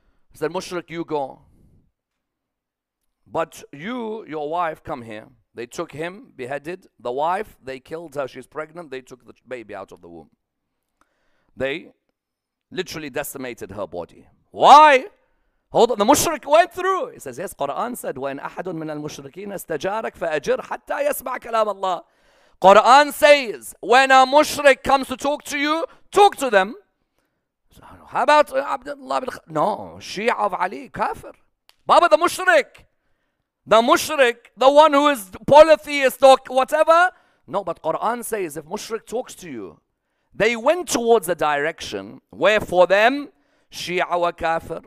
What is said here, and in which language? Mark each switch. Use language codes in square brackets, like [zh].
[en] He said, mushrik, you go. But you, your wife, come here. They took him, beheaded the wife. They killed her. She's pregnant. They took the baby out of the womb. They literally decimated her body. Why? Hold on. The mushrik went through. He says, yes, Quran said, [ar] وَإِنْ أَحَدٌ مِنَ الْمُشْرِكِينَ اسْتَجَارَكَ فَأَجِرْ حَتَّى يَسْمَعَ كَلَامَ اللَّهِ. [en] Quran says, when a mushrik comes to talk to you, talk to them. So, how about Abdullah bin Khattab? No, Shia of Ali, kafir. Baba, the mushrik. The mushrik, the one who is polytheist or whatever. No, but Quran says, if mushrik talks to you, they went towards a direction where for them, Shia wa kafir.